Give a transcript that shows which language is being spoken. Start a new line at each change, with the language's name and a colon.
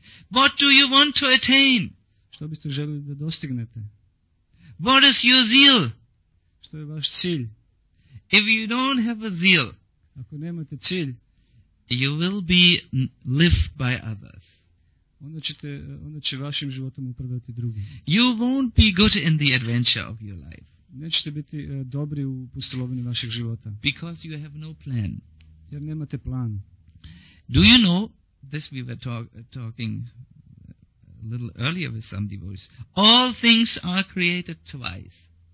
English: What do you want to attain?
Croatian: Što biste željeli da dostignete?
English: What is your zeal?
Croatian: Što je vaš cilj?
English: If you don't have a zeal,
Croatian: ako nemate cilj,
English: you will be lived by others.
Croatian: Onda će vašim životom upravljati drugi.
English: You won't be good in the adventure of your life.
Croatian: Nećete biti dobri u pustolovini vašeg života.
English: Because you have no plan.
Croatian: Jer nemate plan.
English: Do you know, this we were talking a little earlier with some devotees, all things are created twice.